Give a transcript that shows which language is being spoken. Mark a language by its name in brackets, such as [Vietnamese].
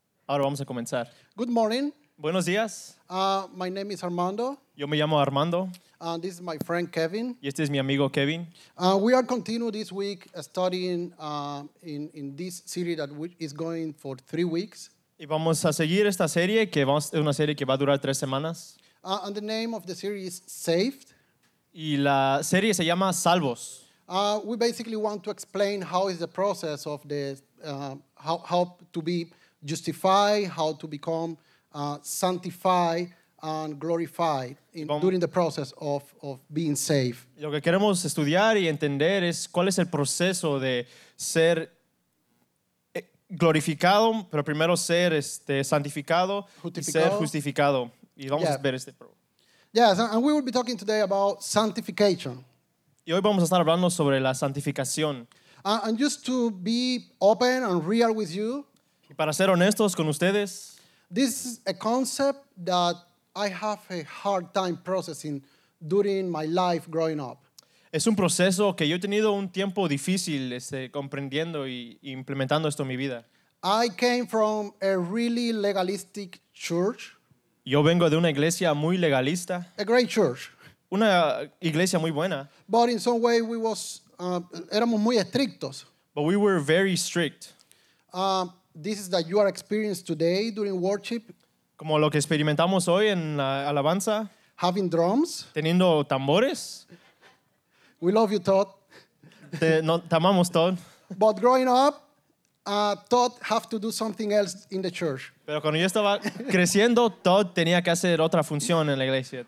[Spanish] Ahora vamos a comenzar. [English] Good morning. [Spanish] Buenos días. [English] My name is Armando. [Spanish] Yo me llamo Armando. [English] This is my friend Kevin. [Spanish] Y este es mi amigo Kevin. [English] We are continuing this week studying in this series that is going for 3 weeks. [Spanish] Y vamos a seguir esta serie que es una serie que va a durar 3 semanas. [English] And the name of the series is Saved. [Spanish] Y la serie se llama Salvos. [English] We basically want to explain how is the process of the how to be justified, how to become sanctified and glorified during the process of being saved. [Spanish] Lo que queremos estudiar y entender es cuál es el proceso de ser glorificado, pero primero ser santificado y ser justificado. Y vamos a ver este problema. [English] Yes, and we will be talking today about sanctification. [Spanish] Y hoy vamos a estar hablando sobre la santificación. [English] And just to be open and real with you. [Spanish] Y para ser honestos con ustedes. [English] This is a concept that I have a hard time processing during my life growing up. [Spanish] Es un proceso que yo he tenido un tiempo difícil comprendiendo y implementando esto en mi vida. [English] I came from a really legalistic church. [Spanish] Yo vengo de una iglesia muy legalista. [English] A great church. [Spanish] Una iglesia muy buena. [English] But in some way we was [Spanish] éramos muy estrictos. [English] But we were very strict. This is that you are experiencing today during worship. [Spanish] Como lo que experimentamos hoy en la alabanza. [English] Having drums. [Spanish] Teniendo tambores. [English] We love you, Todd. [Spanish] Te amamos, Todd. [English] But growing up, Todd have to do something else in the church. [Spanish] Pero cuando yo estaba creciendo, Todd tenía que hacer otra función en la iglesia.